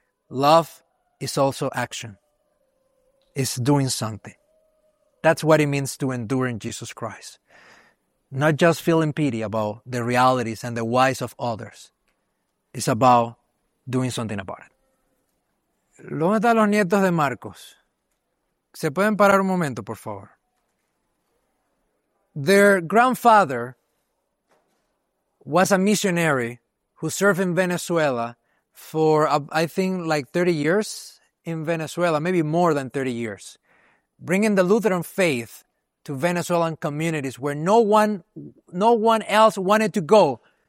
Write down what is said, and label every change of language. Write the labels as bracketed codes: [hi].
[en] Love is also action. It's doing something. That's what it means to endure in Jesus Christ. Not just feeling pity about the realities and the whys of others. It's about doing something about it. [es] ¿Dónde están los nietos de Marcos? ¿Se pueden parar un momento, por favor? [en] Their grandfather was a missionary who served in Venezuela for, I think, like 30 years in Venezuela, maybe more than 30 years. Bringing the Lutheran faith to Venezuelan communities where no one else wanted to go.